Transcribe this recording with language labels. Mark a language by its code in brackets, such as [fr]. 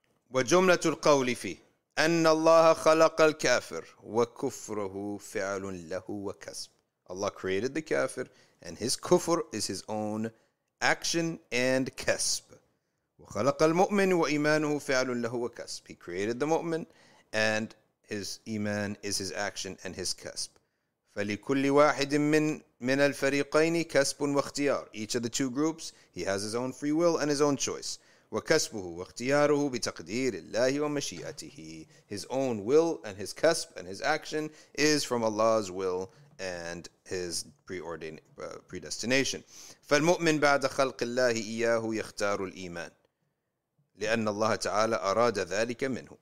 [ar] وجملة القول في أن الله خلق الكافر وكفره فعل له وكسب. [en] Allah created the kafir, and his kufr is his own action and kasb. [ar] وخلق المؤمن وإيمانه فعل له وكسب. [en] He created the mu'min, and his iman is his action and his kasb. [ar] فلكل واحد من الفريقين كسب واختيار. [en] Each of the two groups, he has his own free will and his own choice. [ar] وَكَسْبُهُ وَاخْتِيَارُهُ بِتَقْدِيرِ اللَّهِ وَمَشِيَاتِهِ. [en] His own will and his kasb and his action is from Allah's will and his predestination. [ar] فَالْمُؤْمِنْ بَعْدَ خَلْقِ اللَّهِ إِيَّاهُ يَخْتَارُ الْإِيمَانِ لِأَنَّ اللَّهَ تَعَالَى أَرَادَ ذَلِكَ مِنْهُ.